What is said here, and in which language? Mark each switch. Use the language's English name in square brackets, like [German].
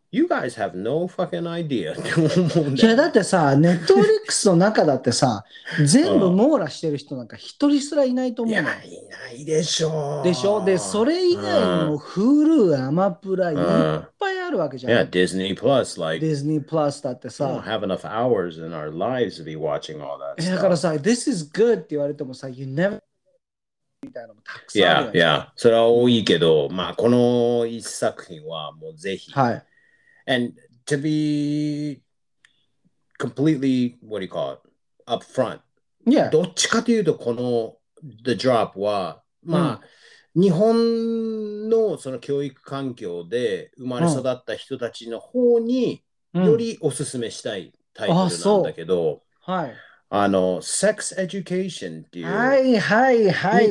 [English] You guys have no fucking idea [Japanese] って思うんだよ。いやだってさネットフリックスの中だってさ全部網羅してる人なんか一人すらいないと思う。いやいないでしょう。でしょでそれ以外にも、うん、Hulu、アマプラ、うん [English] Yeah, Disney Plus, like Disney Plus, that we don't have enough hours in our lives to be watching all that. Yeah, [Japanese] からさ [English] this is good [Japanese] って言われてもさ [English] you never. [Japanese] Yeah, yeah, それは多いけど、まあこの一作品はもうぜひ。はい。 [English] And to be completely, what do you call it, upfront? Yeah. [Japanese] どっちかというとこの The Drop はまあ。うん日本のその教育環境で生まれ育った人たちの方によりおすすめしたいタイトルなんだけど、うんはい、あの Sex Education っていう、はいはいはい、